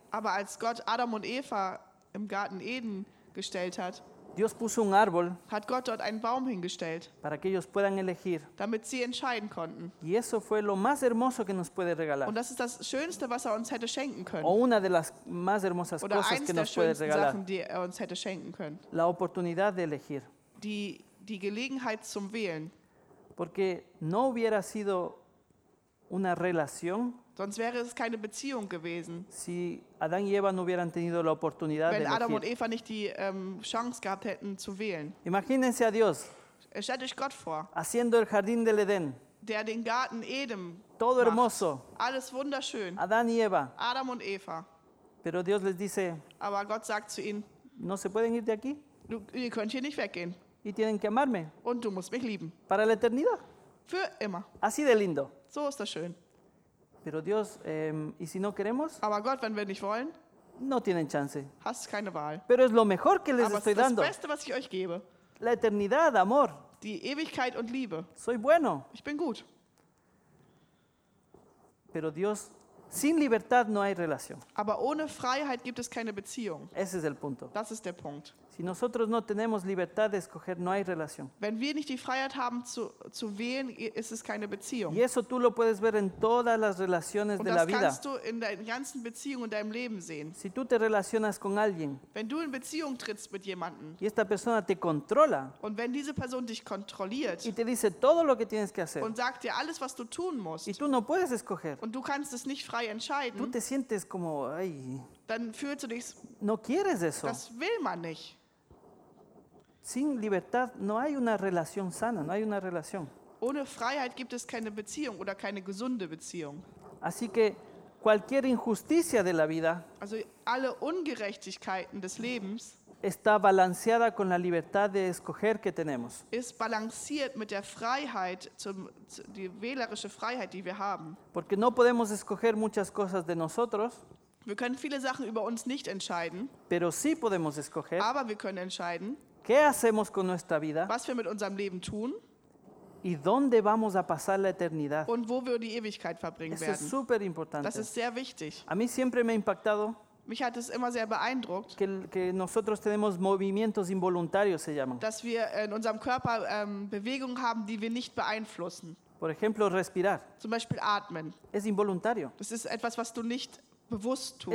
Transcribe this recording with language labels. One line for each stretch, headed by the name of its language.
German: aber als Gott Adam und Eva im Garten Eden gestellt hat,
Spanish: Dios puso un árbol,
German: hat Gott dort einen Baum hingestellt,
Spanish: para que ellos puedan elegir,
German: damit sie entscheiden konnten.
Spanish: Y eso fue lo más hermoso que nos puede regalar.
German: Und das ist das Schönste, was er uns hätte schenken können.
Spanish: O una de las más hermosas
German: Oder
Spanish: cosas que nos puede regalar.
German: Sachen, die er uns hätte schenken können.
Spanish: La oportunidad de elegir.
German: Die Gelegenheit zum Wählen.
Spanish: Porque no hubiera sido una relación.
German: Sonst wäre es keine Beziehung gewesen.
Spanish: Si Adán y Eva no hubieran tenido la oportunidad
German: wenn
Spanish: de
German: Adam und Eva nicht die Chance gehabt hätten zu wählen.
Spanish: Imagínense a Dios.
German: Stellt euch Gott vor.
Spanish: Haciendo el jardín del Edén.
German: Der den Garten Eden.
Spanish: Todo
German: macht.
Spanish: Hermoso.
German: Alles wunderschön.
Spanish: Adán y Eva.
German: Adam und Eva.
Spanish: Pero Dios les dice.
German: Aber Gott sagt zu ihnen.
Spanish: No se pueden ir de aquí.
German: Ihr könnt hier nicht weggehen.
Spanish: Y tienen que amarme.
German: Und du musst mich lieben.
Spanish: Para la eternidad.
German: Für immer.
Spanish: Así de lindo.
German: So ist das schön.
Spanish: Pero Dios, y si no queremos,
German: aber Gott, wenn wir nicht wollen,
Spanish: no tienen chance.
German: Hast keine Wahl.
Spanish: Pero es lo mejor que les
German: aber
Spanish: estoy
German: es das
Spanish: dando.
German: Beste, was ich euch gebe.
Spanish: La eternidad, amor.
German: Die Ewigkeit und Liebe.
Spanish: Soy bueno.
German: Ich bin gut.
Spanish: Pero Dios, sin libertad no hay relación.
German: Aber ohne Freiheit gibt es keine Beziehung.
Spanish: Ese es el punto.
German: Das ist der Punkt.
Spanish: Si nosotros no tenemos libertad de escoger, no hay relación.
German: Wenn wir nicht die Freiheit haben zu wählen, ist es keine Beziehung.
Spanish: Y eso tú lo puedes ver en todas las relaciones
German: und
Spanish: de la vida.
German: Und das kannst du in deinen ganzen Beziehungen in deinem Leben sehen.
Spanish: Si tú te relacionas con alguien,
German: wenn du in Beziehung trittst mit jemanden,
Spanish: y esta persona te controla,
German: und wenn diese Person dich kontrolliert,
Spanish: y te dice todo lo que tienes que hacer,
German: und sagt dir alles, was du tun musst,
Spanish: y tú no puedes escoger,
German: und du kannst es nicht frei entscheiden,
Spanish: tú te sientes como ay,
German: dann fühlst du dich,
Spanish: no quieres eso.
German: Das will man nicht.
Spanish: Sin libertad no hay una relación sana, no hay una relación.
German: Ohne Freiheit gibt es keine Beziehung oder keine gesunde Beziehung.
Spanish: Así que cualquier injusticia de la vida,
German: also alle Ungerechtigkeiten des Lebens,
Spanish: está balanceada con la libertad de escoger que tenemos.
German: Ist balanciert mit der Freiheit die wählerische Freiheit, die wir haben.
Spanish: Porque no podemos escoger muchas cosas de nosotros.
German: Wir können viele Sachen über uns nicht entscheiden.
Spanish: Pero sí podemos escoger.
German: Aber wir können entscheiden.
Spanish: ¿Qué hacemos con nuestra vida?
German: Was wir mit unserem Leben tun?
Spanish: ¿Y dónde vamos a pasar la eternidad?
German: Und wo wir die Ewigkeit verbringen
Spanish: Eso
German: werden?
Spanish: Es super importante.
German: Das ist sehr wichtig.
Spanish: A mí siempre me ha impactado.
German: Mich hat es immer sehr beeindruckt.
Spanish: Que nosotros tenemos movimientos involuntarios se llaman.
German: Dass wir in unserem Körper Bewegungen haben, die wir nicht beeinflussen.
Spanish: Por ejemplo, respirar.
German: Zum Beispiel atmen.
Spanish: Es involuntario.
German: Das ist etwas, was du nicht bewusst tust.